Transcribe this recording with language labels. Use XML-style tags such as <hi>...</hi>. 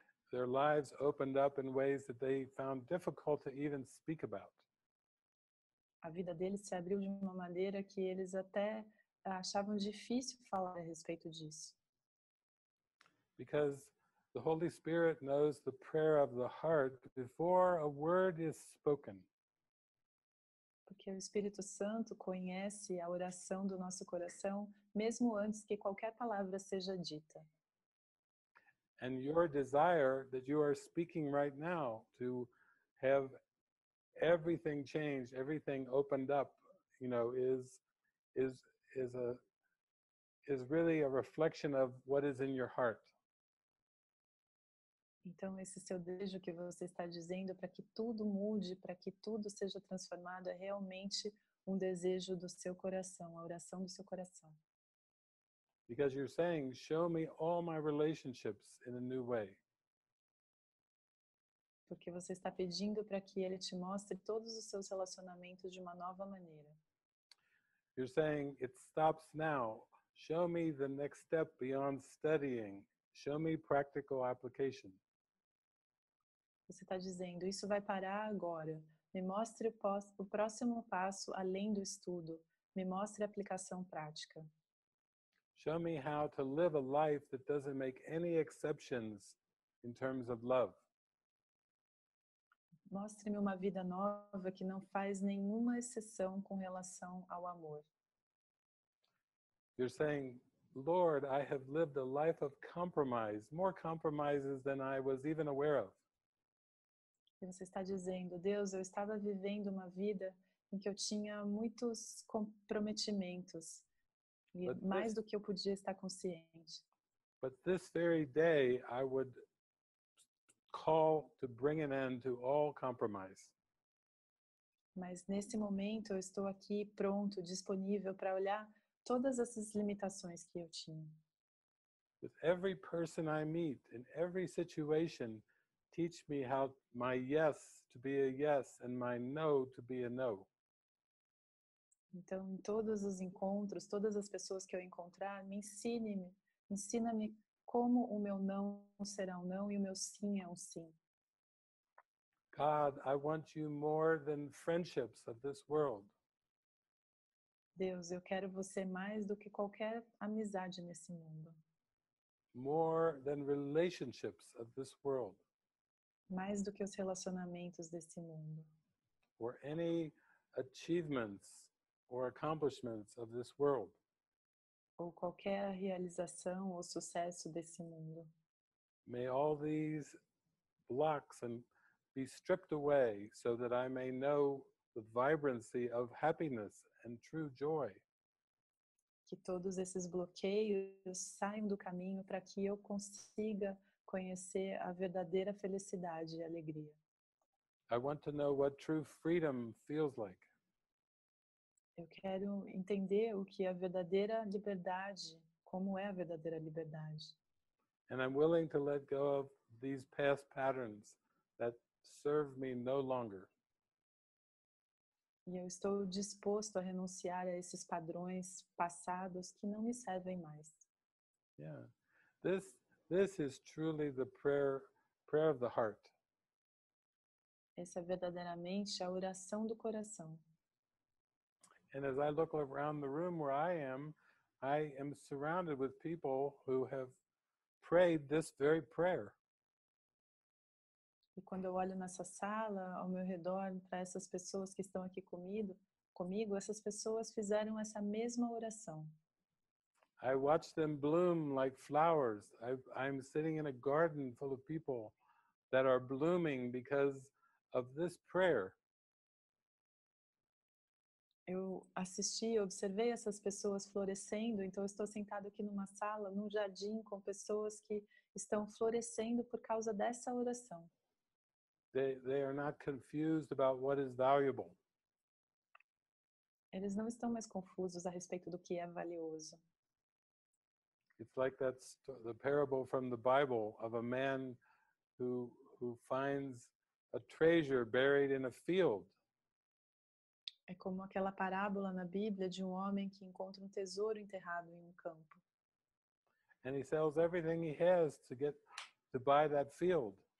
<en>Their lives opened up in ways that they found difficult to even speak about.</en> <pt>A vida deles se abriu de uma maneira que eles até achavam difícil falar a respeito disso.</pt> <en>Because The Holy Spirit knows the prayer of the heart before a word is spoken.</en> <pt>Porque o Espírito Santo conhece a oração do nosso coração mesmo antes que qualquer palavra seja dita.</pt> <en>And your desire that you are speaking right now to have everything change, everything opened up, you know, is really a reflection of what is in your heart.</en> <pt>Então, esse seu desejo que você está dizendo para que tudo mude, para que tudo seja transformado, é realmente um desejo do seu coração, a oração do seu coração.</pt> <en>Because you're saying, show me all my relationships in a new way.</en> <pt>Porque você está pedindo para que ele te mostre todos os seus relacionamentos de uma nova maneira.</pt> <en>You're saying, it stops now. Show me the next step beyond studying. Show me practical application.</en> <pt>Você está dizendo, isso vai parar agora. Me mostre o próximo passo além do estudo. Me mostre a aplicação prática.</pt> <en>Show me how to live a life that doesn't make any exceptions in terms of love.</en> <pt>Mostre-me uma vida nova que não faz nenhuma exceção com relação ao amor.</pt> <en>You're saying, Lord, I have lived a life of compromise, more compromises than I was even aware of.</en> <pt>E você está dizendo, Deus, eu estava vivendo uma vida em que eu tinha muitos comprometimentos, e mais do que eu podia estar consciente.</pt> <en>But this very day, I would call to bring an end to all compromise.</en> <pt>Mas nesse momento, eu estou aqui pronto, disponível para olhar todas essas limitações que eu tinha.</pt> <en>With every person I meet, in every situation, teach me how my yes to be a yes and my no to be a no.</en> <pt>Então, em todos os encontros, todas as pessoas que eu encontrar, me ensine-me, ensina-me como o meu não será um não e o meu sim é um sim.</pt> <en>God, I want you more than friendships of this world.</en> <pt>Deus, eu quero você mais do que qualquer amizade nesse mundo.</pt> <en>More than relationships of this world.</en> <pt>Mais do que os relacionamentos desse mundo.</pt> <en>Or any achievements or accomplishments of this world.</en> <pt>Ou qualquer realização ou sucesso desse mundo.</pt> <en>May all these blocks and be stripped away so that I may know the vibrancy of happiness and true joy.</en> <pt>Que todos esses bloqueios saiam do caminho para que eu consiga conhecer a verdadeira felicidade e alegria.</pt> <en>I want to know what true freedom feels like.</en> <pt>Eu quero entender o que é a verdadeira liberdade, como é a verdadeira liberdade.</pt> <en>And I'm willing to let go of these past patterns that serve me no longer.</en> <pt>E eu estou disposto a renunciar a esses padrões passados que não me servem mais.</pt> <en>Yeah. This is truly the prayer of the heart.</en> <pt>Essa é verdadeiramente a oração do coração.</pt> <en>And as I look around the room where I am surrounded with people who have prayed this very prayer.</en> <pt>E quando eu olho nessa sala, ao meu redor, para essas pessoas que estão aqui comigo, essas pessoas fizeram essa mesma oração.</pt> <en>I watch them bloom like flowers. I'm sitting in a garden full of people that are blooming because of this prayer.</en> <pt>Eu assisti, observei essas pessoas florescendo, então estou sentado aqui numa sala, num jardim, com pessoas que estão florescendo por causa dessa oração.</pt> <en>They are not confused about what is valuable.</en> <pt>Eles não estão mais confusos a respeito do que é valioso.</pt> <en>It's like that's the parable from the Bible of a man who finds a treasure buried in a field.</en> <pt>É como aquela parábola na Bíblia de um homem que encontra um tesouro enterrado em um campo.</pt> <en>And he sells everything he has to buy that field.</en>